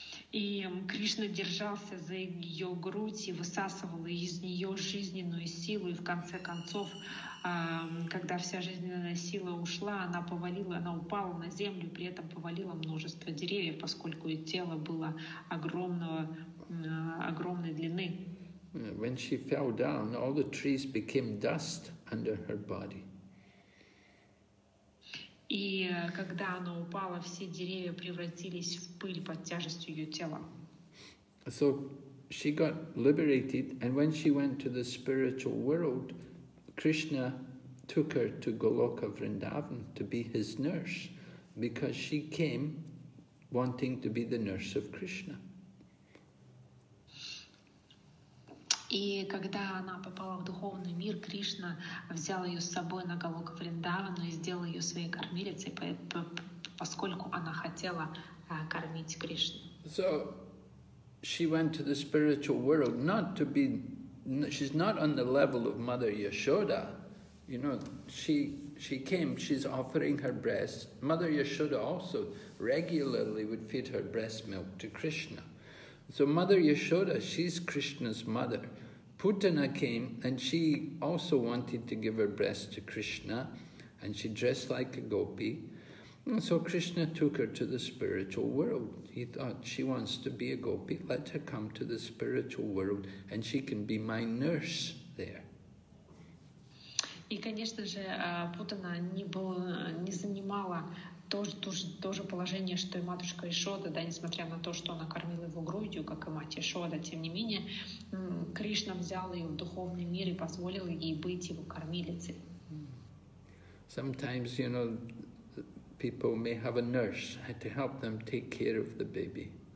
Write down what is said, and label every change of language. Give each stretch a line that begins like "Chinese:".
Russian: И Кришна держался за ее грудь и высасывал из нее жизненную силу, и в конце концов, когда вся жизненная сила ушла, она повалила, она упала на землю, при этом повалила множество деревьев, поскольку ее тело было огромной длины.
English: When she fell down, all the trees became dust under her body.
Russian: И когда она упала, все деревья превратились в пыль под тяжестью ее тела.
English: So she got liberated, and when she went to the spiritual world, Krishna took her to Goloka Vrindavan to be his nurse, because she came wanting to be the nurse of Krishna.
Russian: И когда она попала в духовный мир, Кришна взял ее с собой на Голока Вриндавану и сделал ее своей кормилицей, поскольку она хотела кормить Кришну.
English: So she went to the spiritual world not to be, she's not on the level of Mother Yashoda, you know, she came, she's offering her breast. Mother Yashoda also regularly would feed her breast milk to Krishna. So Mother Yashoda, she's Krishna's mother. Putana came and she also wanted to give her breast to Krishna and she dressed like a gopi. And so Krishna took her to the spiritual world. He thought, she wants to be a gopi, let her come to the spiritual world and she can be my nurse there.
Russian: И, конечно же, Путана не занимала то же положение, что и матушка Ишода, да, несмотря на то, что она кормила его грудью, как и мать Ишода, тем не менее, Кришна взял ее в духовный мир и позволил ей быть его кормилицей.
English: Sometimes, you know, people may have a nurse to help them take care of the baby.